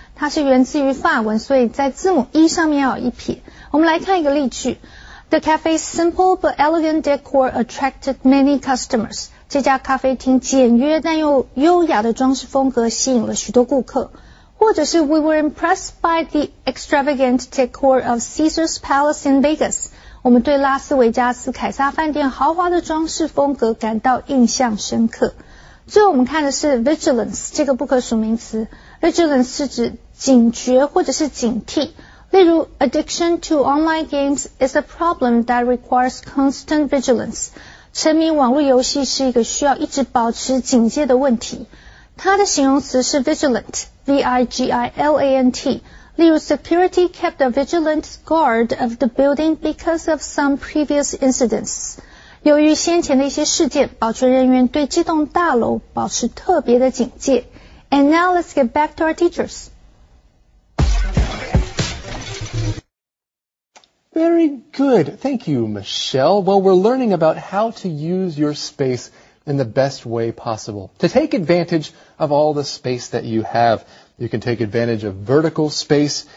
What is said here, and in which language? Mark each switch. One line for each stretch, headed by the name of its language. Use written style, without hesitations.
Chinese: 它是源自于法文，所以在字母 E 上面要有一撇。我们来看一个例句。
English: The cafe's simple but elegant decor attracted many customers.
Chinese: 这家咖啡厅简约但又优雅的装饰风格吸引了许多顾客。或者是
English: we were impressed by the extravagant decor of Caesar's Palace in Vegas.
Chinese: 我们对拉斯维加斯凯撒饭店豪华的装饰风格感到印象深刻。最后我们看的是 vigilance 这个不可数名词。Vigilance 是指警觉或者是警惕。例如
English: addiction to online games is a problem that requires constant vigilance.
Chinese: 沉迷网络游戏是一个需要一直保持警戒的问题。它的形容词是 vigilant, V-I-G-I-L-A-N-T. 例如
English: security kept a vigilant guard of the building because of some previous incidents.
Chinese: 由于先前的一些事件，保全人员对这栋大楼保持特别的警戒。
English: And now let's get back to our teachers. Very good. Thank you, Michelle. Well, we're learning about how to use your space in the best way possible. To take advantage of all the space that you have, you can take advantage of vertical space.